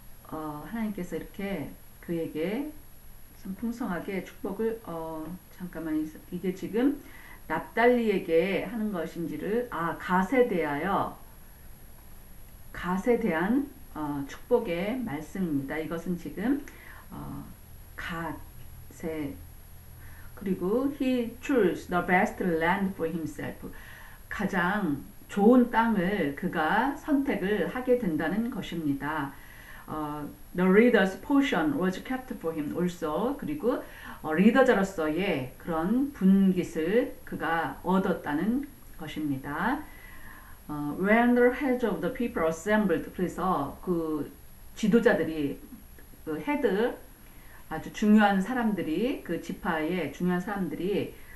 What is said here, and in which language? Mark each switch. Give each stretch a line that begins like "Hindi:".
Korean: 하나님께서 이렇게 그에게 참 풍성하게 축복을 잠깐만 이게 지금 납달리에게 하는 것인지를 갓에 대하여 갓에 대한 축복의 말씀입니다. 이것은 지금 갓에 그리고
English: he chose the best land for himself.
Korean: 가장 좋은 땅을 그가 선택을 하게 된다는 것입니다.
English: The leader's portion was kept for him also.
Korean: 그리고 리더자로서의 그런 분깃을 그가 얻었다는 것입니다.
English: When the heads of the people assembled,
Korean: 그래서 그 지도자들이, 그 헤드, 아주 중요한 사람들이, 그 지파의 중요한 사람들이,